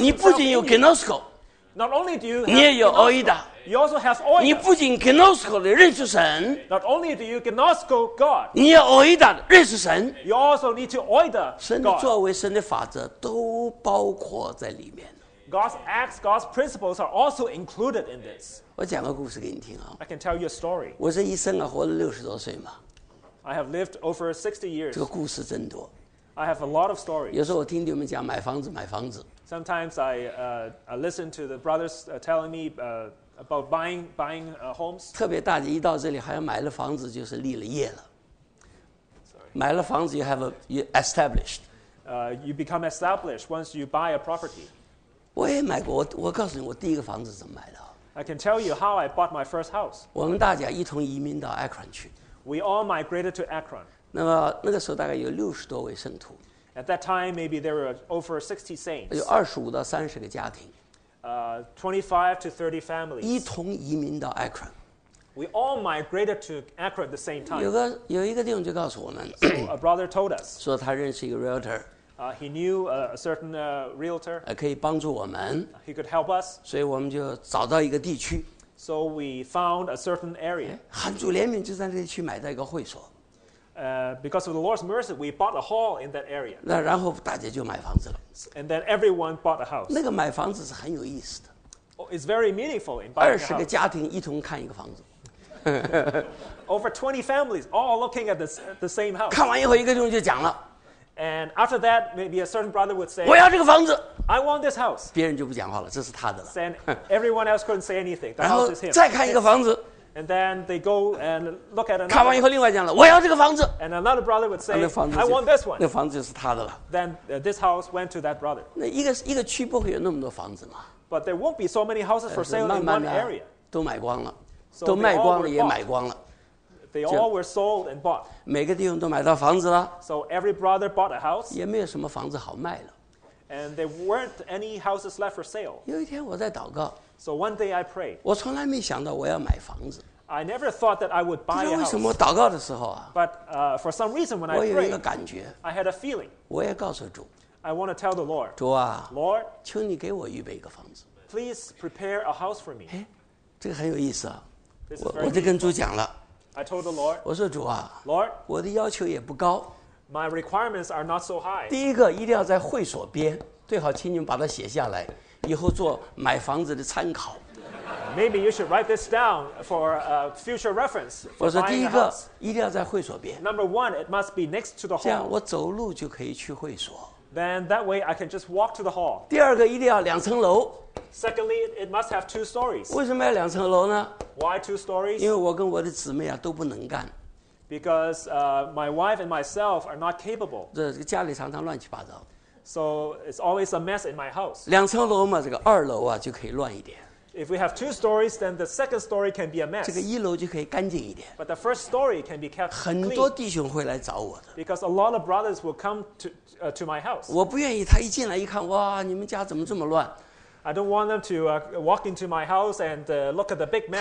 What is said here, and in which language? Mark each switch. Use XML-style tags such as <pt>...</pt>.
<zh>你不仅有 gnosko。</zh> <en>Not only do you,</en> <zh>你也有 OIDA， 你不仅 gnosko 的认识神，</zh> <en>Not only do you gnosko God，</en> <zh>你也 OIDA 的认识神，</zh> <en>you also need to OIDA God。</en> <zh>神的作为、神的法则都包括在里面。</zh> <en>God's acts, God's principles are also included in this。</en> <zh>我讲个故事给你听啊。</zh> <en>I can tell you a story。</en> <zh>我这一生啊，活了六十多岁嘛。</zh> <en>I have lived over 60 years。</en> <zh>这个故事真多。</zh> <en>I have a lot of stories。</en> <zh>有时候我听弟兄们讲买房子，买房子。</zh> <en>Sometimes I listen to the brothers telling me about buying homes.</en> <zh>特别大姐一到这里，好像买了房子就是立了业了。买了房子</zh> <en>you established. You become established once you buy a property.</en> <zh>我也买过，我告诉你，我第一个房子怎么买的。</zh> <en>I can tell you how I bought my first house.</en> <zh>我们大姐一同移民到 Akron 去。</zh> <en>We all migrated to Akron.</en> <zh>那个时候大概有六十多位圣徒。</zh> <en>At that time, maybe there were over 60 saints.</en> <zh>有二十五到三十个家庭。</zh> <en>25 to 30 families.</en> <zh>一同移民到 Akron。</zh> <en>We all migrated to Akron at the same time.</en> <zh>有一个弟兄就告诉我们。</zh> <en>So a brother told us.</en> <zh>说他认识一个 realtor。</zh> <en>He knew a certain realtor.</en> <zh>可以帮助我们。</zh> <en>He could help us.</en> <zh>所以我们就找到一个地区。</zh> <en>So we found a certain area.</en> <zh>喊主怜悯就在那去买到一个会所。</zh> <en>Because of the Lord's mercy, we bought a hall in that area.</en> <zh>那然后大姐就买房子了。</zh> <en>And then everyone bought a house.</en> <zh>那个买房子是很有意思的。</zh> <en>Oh, it's very meaningful in buying a house.</en> <zh>二十个家庭一同看一个房子。</zh> <en>Over 20 families all looking at the same house.</en> <zh>看完以后，一个弟兄就讲了。</zh> <en>And after that, maybe a certain brother would say,</en> <zh>我要这个房子。</zh> <en>I want this house.</en> <zh>别人就不讲话了，这是他的了。</zh> <en>And everyone else couldn't say anything. The house is him.</en> <zh>再看一个房子。</zh> <en>And then they go and look at another.</en> <zh>看完以后，另外讲了，我要这个房子。</zh> <en>And another brother would say,</en> <zh>那房子</zh> <en>I want this one.</en> <zh>那房子就是他的了。</zh> <en>Then this house went to that brother.</en> <zh>那一个区不会有那么多房子嘛。</zh> <en>But there won't be so many houses for sale</en> <zh>慢慢的</zh> <en>啊、in one area.</en> <zh>都买光了，都卖光了，也买光了。</zh> <en>They all were sold and bought.</en> <zh>每个弟兄都买到房子了。</zh> <en>So every brother bought a house.</en> <zh>也没有什么房子好卖了。</zh> <en>And there weren't any houses left for sale.</en> <zh>有一天我在祷告。</zh> <en>So one day I prayed.</en> <zh>我从来没想到我要买房子。</zh> <en>I never thought that I would buy a house.</en> <zh>不知道为什么我祷告的时候啊。</zh> <en>But for some reason when I prayed.</en> <zh>我有一个感觉。</zh> <en>I had a feeling.</en> <zh>我也告诉主。</zh> <en>I want to tell the Lord.</en> <zh>主啊。</zh> <en>Lord.</en> <zh>求你给我预备一个房子。</zh> <en>Please prepare a house for me.</en> <zh>哎，这个很有意思啊。我就跟主讲了。</zh> <en>I told the Lord.</en> <zh>我说主啊。</zh> <en>Lord.</en> <zh>我的要求也不高。</zh> <en>My requirements are not so high.</en> <zh>第一个一定要在会所边，最好请你们把它写下来。以后做买房子的参考。</zh> <en>Maybe you should write this down for a future reference.</en> <zh>我说第一个一定要在会所边。</zh> <en>Number one, it must be next to the hall.</en> <zh>这样我走路就可以去会所。</zh> <en>Then that way I can just walk to the hall.</en> <zh>第二个一定要两层楼。</zh> <en>Secondly, it must have two stories.</en> <zh>为什么要两层楼呢</zh> <en>？Why two stories?</en> <zh>因为我跟我的姊妹啊都不能干。</zh> <en>Because my wife and myself are not capable.</en> <zh>这家里常常乱七八糟。</zh> <en>So it's always a mess in my house.</en> <zh>两层楼嘛，这个二楼啊就可以乱一点。</zh> <en>If we have two stories, then the second story can be a mess.</en> <zh>这个一楼就可以干净一点。</zh> <en>But the first story can be kept clean.</en> <zh>很多弟兄会来找我的。</zh> <en>Because a lot of brothers will come to my house.</en> <zh>我不愿意，他一进来一看，哇，你们家怎么这么乱？</zh> <en>I don't want them to walk into my house and look at the big mess.</en>